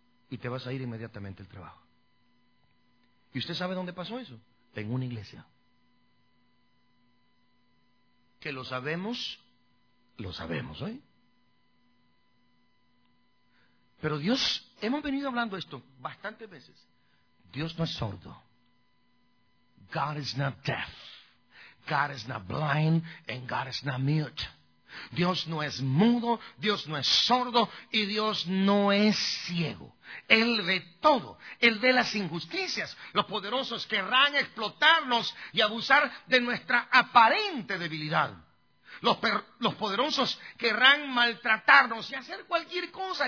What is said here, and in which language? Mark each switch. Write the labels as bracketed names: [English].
[Spanish] y te vas a ir inmediatamente al trabajo. ¿Y usted sabe dónde pasó eso? En una iglesia. Que lo sabemos, lo sabemos, ¿eh? Pero Dios, hemos venido hablando esto bastantes veces. Dios no es sordo. [English] God is not deaf. God is not blind and God is not mute. [Spanish] Dios no es mudo, Dios no es sordo y Dios no es ciego. Él ve todo, Él ve las injusticias, los poderosos querrán explotarnos y abusar de nuestra aparente debilidad. Los poderosos querrán maltratarnos y hacer cualquier cosa.